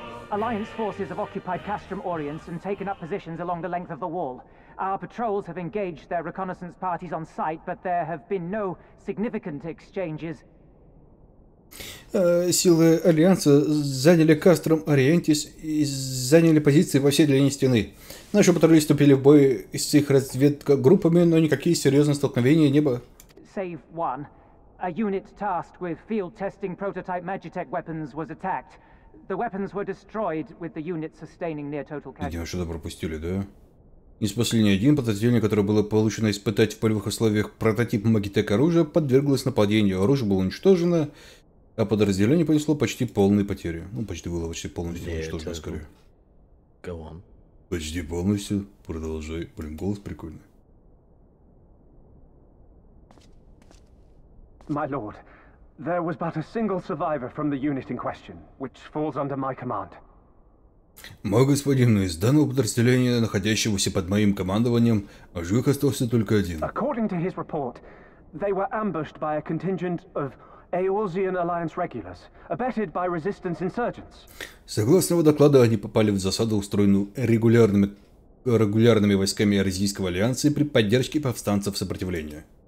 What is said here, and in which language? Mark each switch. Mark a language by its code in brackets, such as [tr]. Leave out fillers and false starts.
[en] Alliance forces have occupied Castrum Oriens and taken up positions along the length of the wall. Our patrols have engaged their reconnaissance parties on site, but there have been no significant exchanges. [ru] Силы Альянса заняли Кастром Ориентис и заняли позиции во всей длине стены. Наши патрули вступили в бой с их разведгруппами, но никакие серьезные столкновения не было. [en] Save one. A unit tasked with field testing prototype Magitek weapons was attacked. The weapons were destroyed with the unit sustaining near total casualty. [ru] Видимо, что-то пропустили, да? Не спасли ни один подразделение, которое было получено испытать в полевых условиях прототип Magitek оружия, подверглось нападению. Оружие было уничтожено, а подразделение понесло почти полные потери. Ну, почти было почти полностью уничтожено, скорее. [en] Go on. [ru] Почти полностью. Продолжай. Блин, голос прикольный. [en] My lord, there was but a single survivor from the unit in question, which falls under my command. [ru] Мой господин, из данного подразделения, находящегося под моим командованием, живых остался только один. [en] According to his report, they were ambushed by a contingent of Aeorzean Alliance Regulars, abetted by resistance insurgents. [ru] Согласно его докладу, они попали в засаду, устроенную регулярными войсками Аризийского Альянса и при поддержке повстанцев сопротивления.